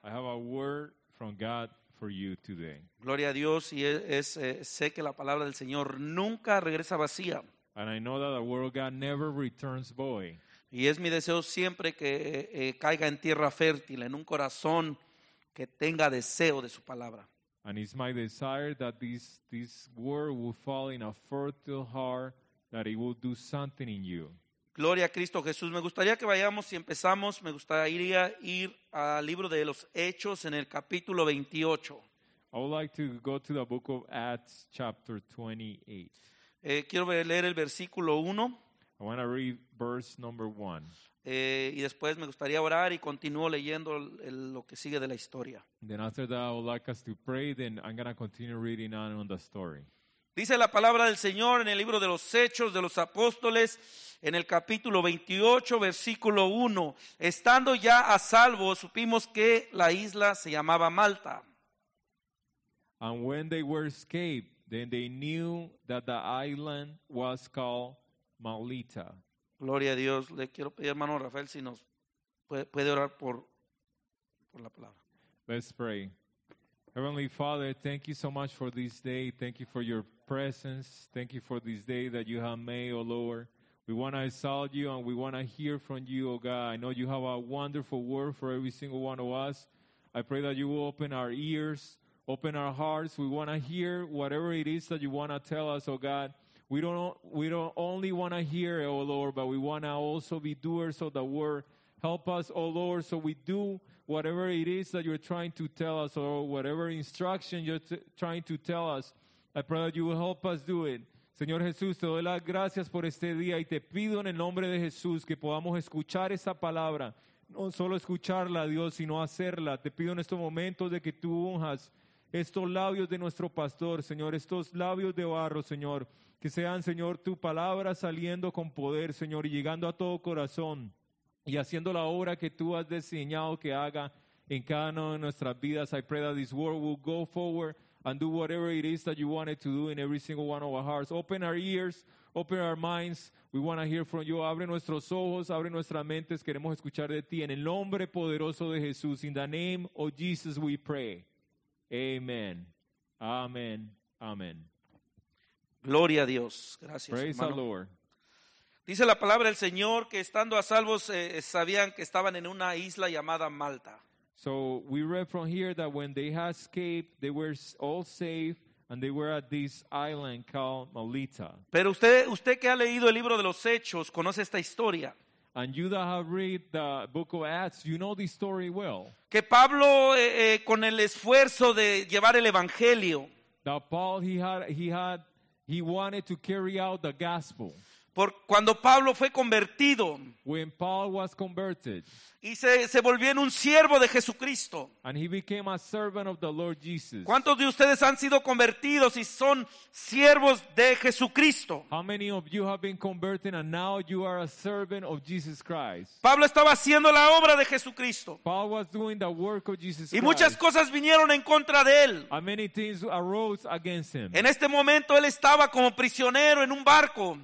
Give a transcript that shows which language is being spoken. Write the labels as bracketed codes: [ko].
[en] I have a word from God for you today. [es] Gloria a Dios, y es sé que la palabra del Señor nunca regresa vacía. [en] And I know that the word of God never returns void. [es] Y es mi deseo siempre que caiga en tierra fértil, en un corazón que tenga deseo de su palabra. [en] And it's my desire that this word will fall in a fertile heart, that it will do something in you. [es] Gloria a Cristo Jesús. Me gustaría que vayamos y empezamos. Me gustaría ir al libro de los Hechos en el capítulo 28. [en] I would like to go to the book of Acts, chapter 28. [es] Quiero leer el versículo 1. [en] I want to read verse number 1. [es] Y después me gustaría orar y continúo leyendo lo que sigue de la historia. [en] Then after that, I would like us to pray. Then I'm going to continue reading on the story. [es] Dice la palabra del Señor en el libro de los Hechos de los Apóstoles, en el capítulo 28, versículo 1. Estando ya a salvo, supimos que la isla se llamaba Malta. [en] And when they were escaped, then they knew that the island was called Malta. [es] Gloria a Dios. Le quiero pedir, hermano Rafael, si nos puede orar por la palabra. [en] Let's pray. Heavenly Father, thank you so much for this day. Thank you for your presence. Thank you for this day that you have made, O Lord. We want to exalt you and we want to hear from you, O God. I know you have a wonderful word for every single one of us. I pray that you will open our ears, open our hearts. We want to hear whatever it is that you want to tell us, O God. We don't only want to hear, O Lord, but we want to also be doers of the word. Help us, O Lord, so we do whatever it is that you're trying to tell us, or whatever instruction you're trying to tell us. I pray that you will help us do it. [es] Señor Jesús, te doy las gracias por este día y te pido en el nombre de Jesús que podamos escuchar esa palabra. No solo escucharla, Dios, sino hacerla. Te pido en estos momentos de que tú unjas estos labios de nuestro pastor, Señor, estos labios de barro, Señor. Que sean, Señor, tu palabra saliendo con poder, Señor, y llegando a todo corazón. Y haciendo la obra que tú has diseñado que haga en cada una de nuestras vidas. [en] I pray that this word will go forward and do whatever it is that you want it to do in every single one of our hearts. Open our ears, open our minds. We want to hear from you. [es] Abre nuestros ojos, abre nuestras mentes. Queremos escuchar de ti en el nombre poderoso de Jesús. [en] In the name of Jesus we pray. Amen. Amen. Amen. [es] Gloria a Dios. Gracias, [en] praise [es] hermano. [en] The Lord. [es] Dice la palabra del Señor que estando a salvos sabían que estaban en una isla llamada Malta. [en] So we read from here that when they had escaped, they were all safe and they were at this island called Malta. [es] Pero usted que ha leído el libro de los Hechos conoce esta historia. [en] And you that have read the book of Acts, you know this story well. [es] Que Pablo con el esfuerzo de llevar el evangelio. [en] That Paul he wanted to carry out the gospel. [es] Por cuando Pablo fue convertido, [en] when Paul was converted, [es] y se volvió en un siervo de Jesucristo. [en] And he became a servant of the Lord Jesus. [es] ¿Cuántos de ustedes han sido convertidos y son siervos de Jesucristo? [en] How many of you have been converted and now you are a servant of Jesus Christ? [es] Pablo estaba haciendo la obra de Jesucristo. [en] Paul was doing the work of Jesus Christ. [es] Y muchas cosas vinieron en contra de él. [en] And many things arose against him. [es] En este momento él estaba como prisionero en un barco.